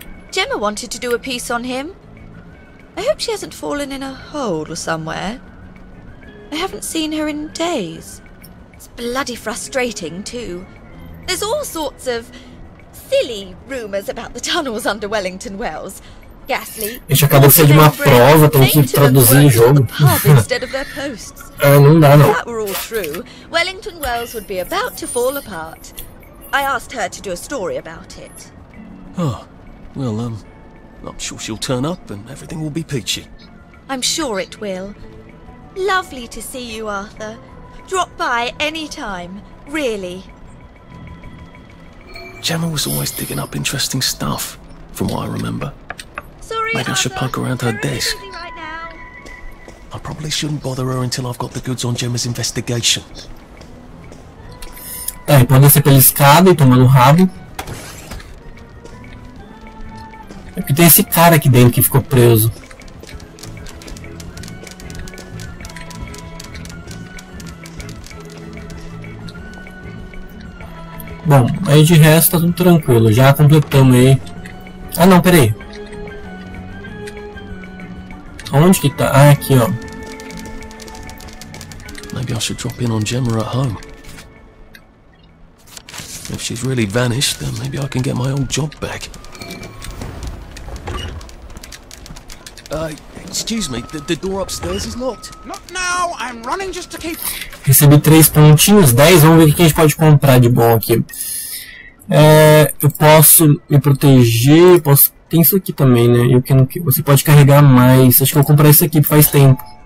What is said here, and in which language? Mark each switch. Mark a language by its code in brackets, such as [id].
[en] Gemma wanted to do a piece on him. I hope she hasn't fallen in a hole somewhere. I haven't seen her in days. It's bloody frustrating, too. There's all sorts of silly rumors about the tunnels under Wellington Wells. Gas leak. [pt] Isso acabou de ser de uma prova, tem que traduzir em jogo. [en] Instead of their posts. [pt] Não dá, não. [en] If that were all true, Wellington Wells would be about to fall apart. I asked her to do a story about it. Oh, well, not sure she'll turn up and everything will be peachy. I'm sure it will. Lovely to see you, Arthur. Drop by any time, really. Gemma was always digging up interesting stuff, from what I remember. Sorry, maybe Arthur, I should poke around her desk. I probably shouldn't bother her until I've got the goods on Gemma's investigation. [pt] Tá, ele pode descer pela escada e tomando um rabo. É que tem esse cara aqui dentro que ficou preso. Bom, aí de resto tá tudo tranquilo, já completamos aí. Ah não, peraí. Onde que tá? Ah, aqui ó. [en] Maybe I should drop in on Gemma at home. If she's really vanished, then maybe I can get my old job back. Excuse me, the door upstairs is locked. Not now, I'm running just to keep... [pt] Recebi 3 pontinhos, 10, vamos ver o que a gente pode comprar de bom aqui. Eu posso me proteger, posso... Tem isso aqui também, né? Você pode carregar mais, acho que eu vou comprar isso aqui, faz tempo.